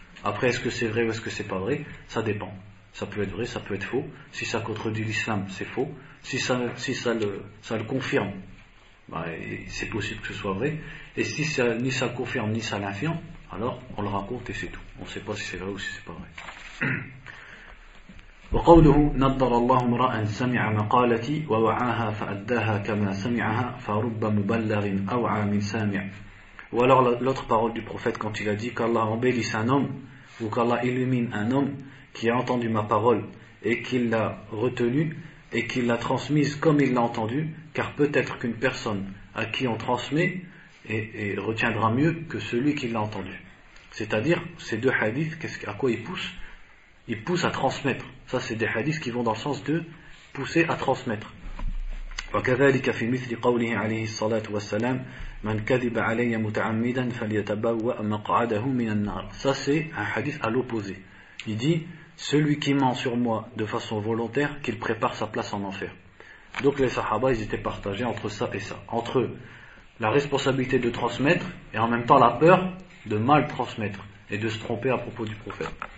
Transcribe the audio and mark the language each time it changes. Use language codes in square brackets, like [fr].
[fr] Après, est-ce que c'est vrai ou est-ce que c'est pas vrai, ça dépend. Ça peut être vrai, ça peut être faux. Si ça contredit l'islam, c'est faux. Si ça le confirme, c'est possible que ce soit vrai. Et si ça, ni ça confirme, ni ça l'infirme, alors on le raconte et c'est tout. On ne sait pas si c'est vrai ou si c'est pas vrai. [ar] وقوله نظر الله امرأ سمع مقالتي ووعاها فأداها كما سمعها فرب مبلغ أوعى من سامع. [fr] Ou alors l'autre parole du prophète quand il a dit qu'Allah embellisse un homme ou qu'Allah illumine un homme qui a entendu ma parole et qu'il l'a retenue et qu'il l'a transmise comme il l'a entendue, car peut-être qu'une personne à qui on transmet et retiendra mieux que celui qui l'a entendue. C'est-à-dire, ces deux hadiths, à quoi ils poussent? Ils poussent à transmettre. Ça, c'est des hadiths qui vont dans le sens de pousser à transmettre. [ar] وكذلك في مثل قوله عليه الصلاة والسلام من كذب علي متعمدا فليتبوأ مقعده من النار. [fr] Ça, c'est un hadith à l'opposé. Il dit, celui qui ment sur moi de façon volontaire, qu'il prépare sa place en enfer. Donc les sahaba, ils étaient partagés entre ça et ça. Entre la responsabilité de transmettre et en même temps la peur de mal transmettre et de se tromper à propos du prophète.